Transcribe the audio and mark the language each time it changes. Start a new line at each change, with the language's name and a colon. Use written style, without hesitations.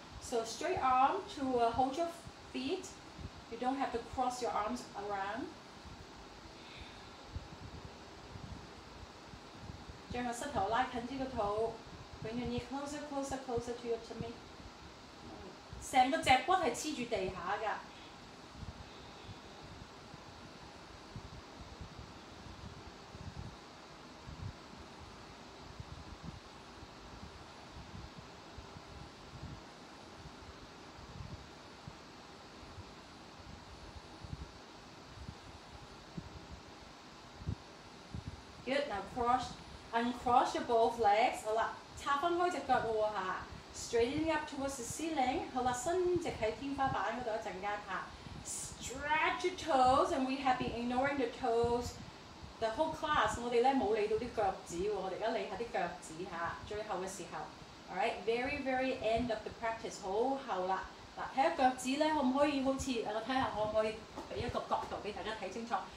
English: So straight arm to hold your feet. You don't have to cross your arms around.
Cantonese: 將個膝頭拉近啲個肚.
English: Bring your knee closer, closer, closer to your tummy.
Cantonese: 整個脊骨是黏著地下的.
English: Good. Now cross, uncross your both legs.
Cantonese: 好啦，插翻開只腳喎嚇。
English: Straighten up towards the ceiling.
Cantonese: 好啦，伸直喺天花板嗰度一陣間嚇。
English: Stretch your toes, and we have been ignoring the toes the whole class.
Cantonese: 我哋咧冇理到啲腳趾喎，我哋而家理下啲腳趾嚇。最後嘅時候
English: ，all right, very very end of the practice.
Cantonese: 好後啦。嗱，睇下腳趾咧，可唔可以好似我睇下可唔可以俾一個角度俾大家睇清楚？